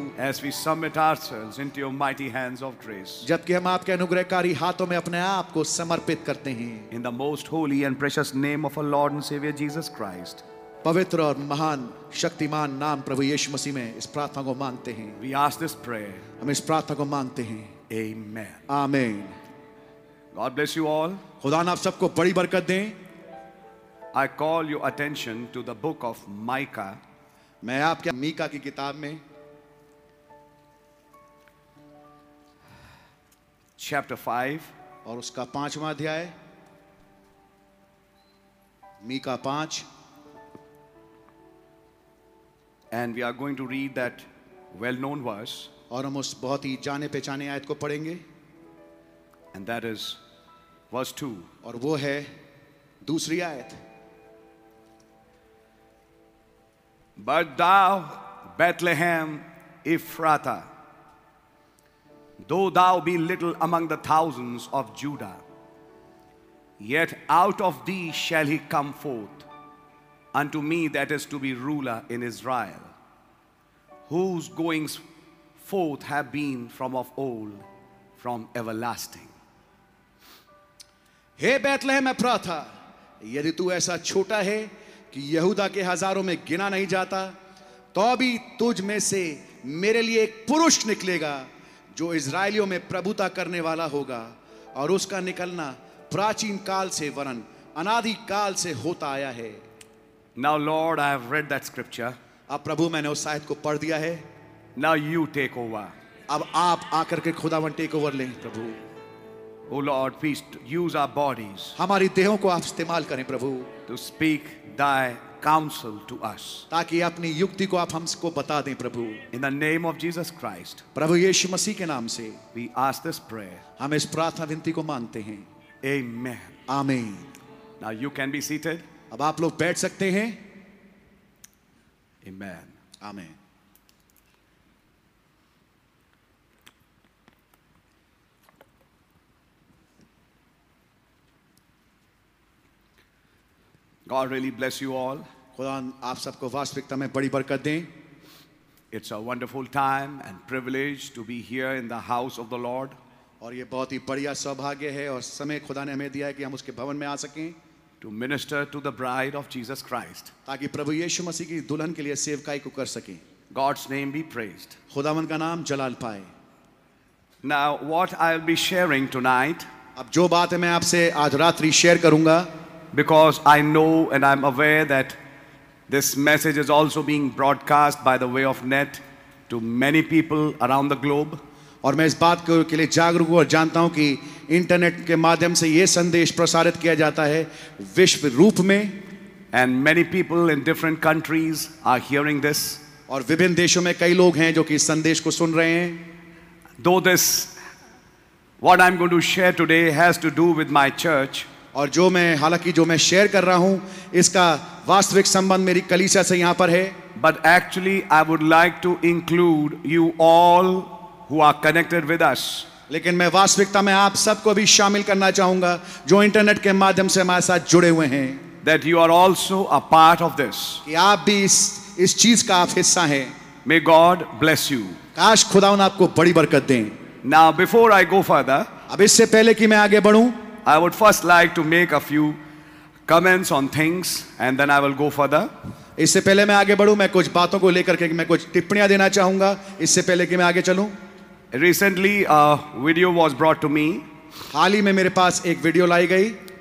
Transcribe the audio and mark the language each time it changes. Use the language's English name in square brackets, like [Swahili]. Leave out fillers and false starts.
[English] As we submit ourselves into your mighty hands of grace. [Hindi] जबकि हम आपके अनुग्रहकारी हाथों में अपने आप को समर्पित करते हैं. [English] In the most holy and precious name of our Lord and Savior Jesus Christ. [Hindi] पवित्र और महान शक्तिमान नाम प्रभु यीशु मसीह में इस प्रार्थना को मांगते हैं. [English] We ask this prayer. [Hindi] हम इस प्रार्थना को मांगते हैं. [English] Amen. Amen. God bless you all. [Hindi] खुदा ने आप सबको बड़ी बरकत दें. [English] I call your attention to the book of Micah. [Hindi] मैं आपके मीका की किताब में [English] chapter 5 [Hindi] और उसका पांचवा अध्याय Mika 5 [English] and we are going to read that well known verse. [Hindi] और हम उस बहुत ही जाने पहचाने आयत को पढ़ेंगे. [English] And that is verse 2. [Hindi] और वो है दूसरी आयत. [English] But thou, Bethlehem, Ephrathah, though thou be little among the thousands of Judah, yet out of thee shall he come forth unto me that is to be ruler in Israel, whose goings forth have been from of old, from everlasting. [Hindi] Hey, Bethlehem, Ephrathah, yadi tu aisa chota hai, कि यहूदा के हजारों में गिना नहीं जाता तो भी तुझ में से मेरे लिए एक पुरुष निकलेगा जो इसराइलियों में प्रभुता करने वाला होगा और उसका निकलना प्राचीन काल से वरन अनादि काल से होता आया है. [English] Now, Lord, I have read that scripture. [Hindi] अब प्रभु मैंने उस आयत को पढ़ दिया है. [English] Now you take over. [Hindi] अब आप आकर के खुदावन टेक ओवर लें प्रभु. [English] Oh Lord, please use our bodies. [Hindi] हमारी देहों को आप इस्तेमाल करें प्रभु. [English] To speak thy counsel to us. [Hindi] ताकि अपनी युक्ति को आप हमको बता दें प्रभु. [English] In the name of Jesus Christ. [Hindi] प्रभु यीशु मसीह के नाम से. [English] We ask this prayer. [Hindi] हम इस प्रार्थना विनती को मांगते हैं. [English] Amen. Amen. Now you can be seated. [Hindi] अब आप लोग बैठ सकते हैं. [English] Amen. Amen. God really bless you all. [Hindi] खुदा आप सबको वास्तविकता में बड़ी बरकत दें. [English] It's a wonderful time and privilege to be here in the house of the Lord. [Hindi] और ये बहुत ही बढ़िया सौभाग्य है और समय खुदा ने हमें दिया है कि हम उसके भवन में आ सकें. [English] To minister to the bride of Jesus Christ. [Hindi] ताकि प्रभु यीशु मसीह की दुल्हन के लिए सेवकाई को कर सकें. [English] God's name be praised. [Hindi] खुदावन का नाम जलाल पाए. [English] Now what I'll be sharing tonight. [Hindi] अब जो बात है मैं आपसे आज रात्रि शेयर करूंगा. [English] Because I know and I'm aware that this message is also being broadcast by the way of net to many people around the globe. [Hindi] और मैं इस बात के लिए जागरूक हूँ और जानता हूँ कि इंटरनेट के माध्यम से ये संदेश प्रसारित किया जाता है विश्व रूप में. [English] And many people in different countries are hearing this. [Hindi] और विभिन्न देशों में कई लोग हैं जो कि इस संदेश को सुन रहे हैं. [English] Though this, what I'm going to share today has to do with my church. [Hindi] और जो मैं हालांकि जो मैं शेयर कर रहा हूं इसका वास्तविक संबंध मेरी कलीसिया से यहां पर है. [English] But actually I would like to include you all who are connected with us. [Hindi] लेकिन मैं वास्तविकता में आप सबको भी शामिल करना चाहूंगा जो इंटरनेट के माध्यम से हमारे साथ जुड़े हुए हैं. [English] That you are also a part of this. [Hindi] आप भी इस चीज का आप हिस्सा हैं. [English] May God bless you. [Hindi] काश खुदा आपको बड़ी बरकत दें. [English] Now before I go further. [Hindi] अब इससे पहले कि मैं आगे बढ़ूं [English] I would first like to make a few comments on things and then I will go further. [Hindi] इससे पहले मैं आगे बढ़ूं मैं कुछ बातों को लेकर के मैं कुछ टिप्पणियां देना चाहूंगा इससे पहले कि मैं आगे चलूं. [English] Recently a video was brought to me. [Hindi] हाल ही में मेरे पास एक वीडियो लाई गई